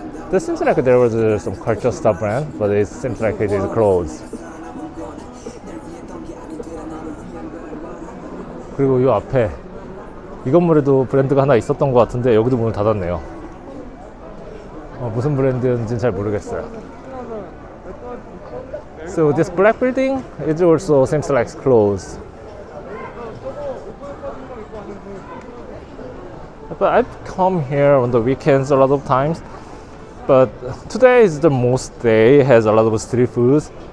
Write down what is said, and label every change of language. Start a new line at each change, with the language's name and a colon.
English: This seems like there was some Culture Star brand, but it seems like it is closed.
Korean: 그리고 이 앞에 이 건물에도 브랜드가 하나 있었던 것 같은데 여기도 문을 닫았네요. 무슨 브랜드인지는 잘 모르겠어요.
English: So this black building, it also seems like closed. But I've come here on the weekends a lot of times. But today is the most day, has a lot of street foods.